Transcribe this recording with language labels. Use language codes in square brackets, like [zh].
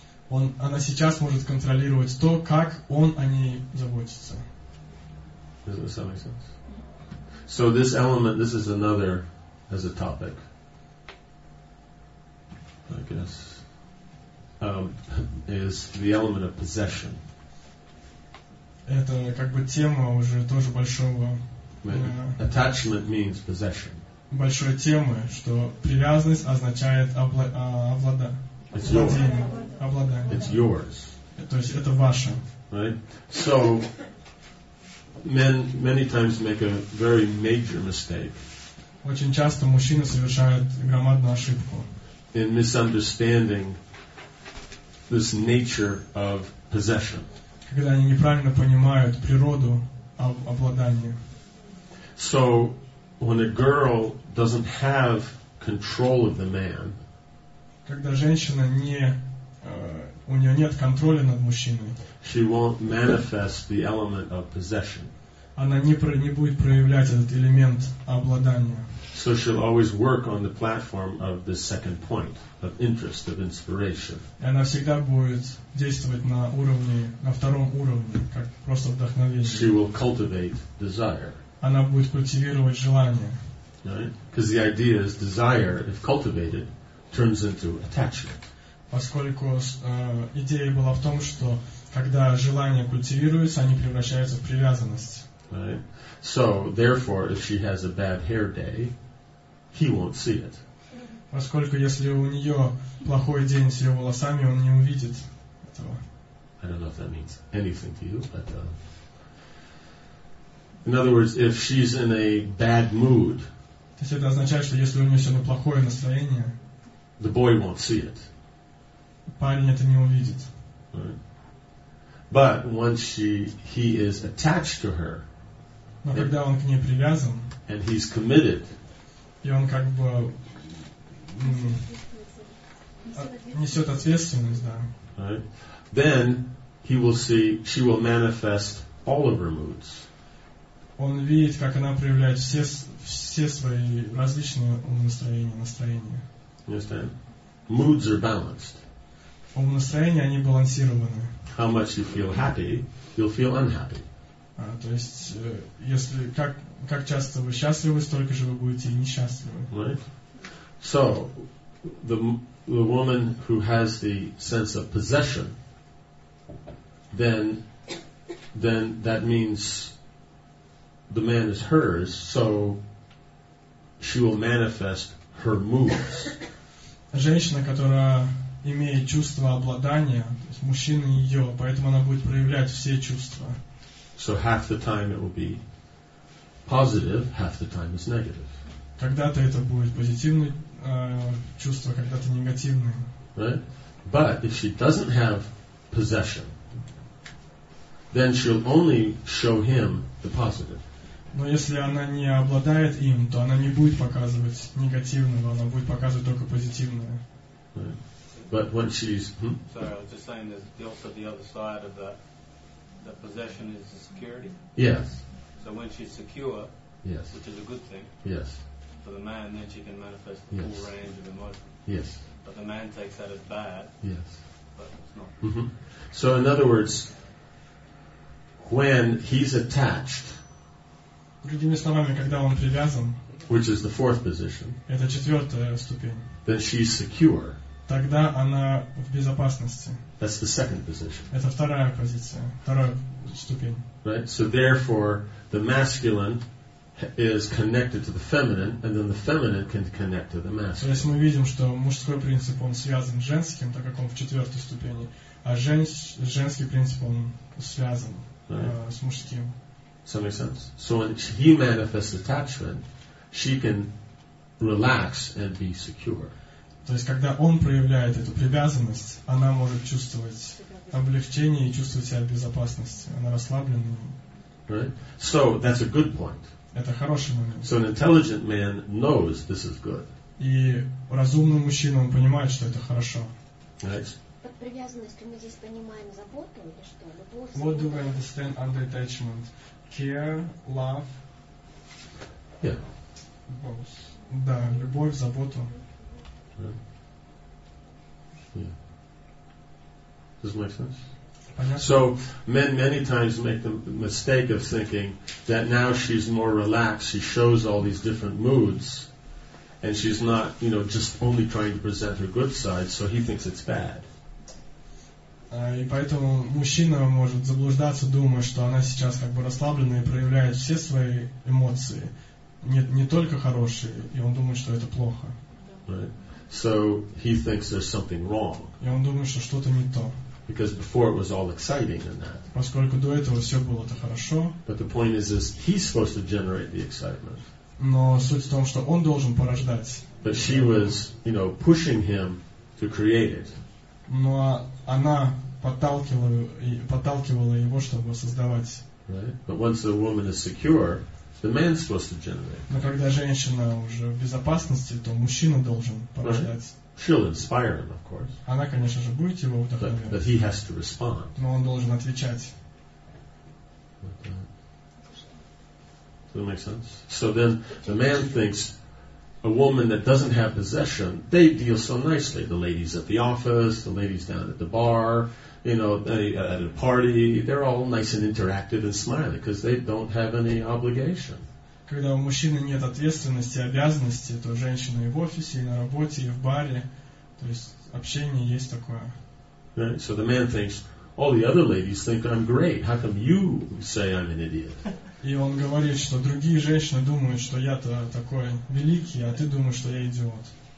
[ru] Она сейчас может контролировать то, как он о ней заботится. [en] Does this make sense? So this element, this is another as a topic. I guess is the element of possession. [ru] Это как бы тема уже тоже большого. [en] Attachment means possession. [ru] Большой темы, что привязанность означает обладание. [en] It's yours. [ru] То есть это ваше. [en] Right. So men many times make a very major mistake. [ru] Очень часто мужчины совершают громадную ошибку. [en] In misunderstanding this nature of possession. [ru] Когда они неправильно понимают природу обладания. [en] So when a girl doesn't have control of the man, [ru] когда женщина не у нее нет контроля над мужчиной, [en] she won't manifest the element of possession. [ru] Она не будет проявлять этот элемент обладания. [en] So she'll always work on the platform of the second point of interest, of inspiration. [ru] И она всегда будет действовать на уровне, на втором уровне, как просто вдохновение. [en] She will cultivate desire. [ru] Она будет культивировать желание. [en] Because the idea is desire, if cultivated, turns into attachment. [ru] Поскольку идея была в том, что когда желания культивируются, они превращаются в привязанность. [en] Right. So, therefore, if she has a bad hair day, he won't see it. [ru] Поскольку если у нее плохой день с ее волосами, он не увидит этого. [en] I don't know if that means anything to you, but in other words, if she's in a bad mood, [ru] то есть это означает, что если у нее сегодня плохое настроение, [en] the boy won't see it. [ru] Парень это не увидит. [en] Right. But once he is attached to her. [ru] Но когда он к ней привязан, [en] and he's committed, [ru] и он как бы несет ответственность, да. [en] Right. Then he will see, she will manifest all of her moods. [ru] Он видит, как она проявляет все свои различные умонастроения, настроения. [en] You understand? Moods are balanced. [ru] Умонастроения, они балансированы. [en] How much you feel happy, you'll feel unhappy. [ru] То есть, если как часто вы счастливы, столько же вы будете и несчастливы. [en] Right. So, the woman who has the sense of possession, then that means the man is hers, so she will manifest her moods. [ru] Женщина, которая имеет чувство обладания, то есть мужчина ее, поэтому она будет проявлять все чувства. [en] So half the time it will be positive, half the time it's negative. [ru] Когда-то это будет позитивное чувство, когда-то негативное. [en] Right? But if she doesn't have possession, then she'll only show him the positive. [ru] Но если она не обладает им, то она не будет показывать негативного, она будет показывать только позитивное. [en] Right. But when she's... Sorry, I was just saying there's also the other side of that. The possession is the security? Yes. So when she's secure, yes. Which is a good thing, yes. For the man, then she can manifest the full range of emotion. Yes. But the man takes that as bad. Yes. But it's not. Mm-hmm. So in other words, when he's attached, [ru] другими словами, когда он привязан, [en] which is the fourth position, [ru] это четвертая ступень, [en] then she's secure. [ru] Тогда она в безопасности. [en] That's the second position. [ru] Это вторая позиция, вторая ступень. [en] Right. So therefore, the masculine is connected to the feminine, and then the feminine can connect to the masculine. [ru] То есть мы видим, что мужской принцип он связан с женским, так как он в четвертой ступени, а женский принцип он связан с мужским. [en] So makes sense. So when he manifests attachment, she can relax and be secure. [ru] То есть, когда он проявляет эту привязанность, она может чувствовать облегчение и чувствовать себя в безопасности. Она расслаблена. [en] Right. So, that's a good point. [ru] Это хороший момент. [en] So, an intelligent man knows this is good. [ru] И разумный мужчина, он понимает, что это хорошо. [en] Right. [ru] Под привязанностью мы здесь понимаем заботу или что? [en] What do we understand under attachment? Care, love? Yeah. Both. [ru] Да, любовь, заботу. [en] Yeah. Does it make sense? So men many times make the mistake of thinking that now she's more relaxed, she shows all these different moods, and she's not, you know, just only trying to present her good side, so he thinks it's bad. [ru] И поэтому мужчина может заблуждаться, думая, что она сейчас как бы расслаблена и проявляет все свои эмоции, не только хорошие, и он думает, что это плохо. [en] Right. So he thinks there's something wrong. [ru] И он думает, что что-то не то. [en] Because before it was all exciting and that. [ru] Поскольку до этого все было так хорошо. [en] But the point is he's supposed to generate the excitement. [ru] Но суть в том, что он должен порождать. [en] But she was, you know, pushing him to create it. [ru] Но она подталкивала его, чтобы создавать. [en] Right. But once the woman is secure, the man's supposed to generate. [ru] Но когда женщина уже в безопасности, то мужчина должен порождать. [en] Right. She'll inspire him, of course. [ru] Она, конечно же, будет его вдохновлять. [en] But he has to respond. [ru] Но он должен отвечать. [en] Does that make sense? So then the man thinks a woman that doesn't have possession, they deal so nicely. The ladies at the office, the ladies down at the bar, you know, at a party, they're all nice and interactive and smiling because they don't have any obligation. [ru] Когда у мужчины нет ответственности, обязанности, то женщина и в офисе, и на работе, и в баре, то есть общение есть такое. [en] Right. So the man thinks, all the other ladies think I'm great. How come you say I'm an idiot? [ru] И он говорит, что другие женщины думают, что я-то такой великий, а ты думаешь, что я идиот.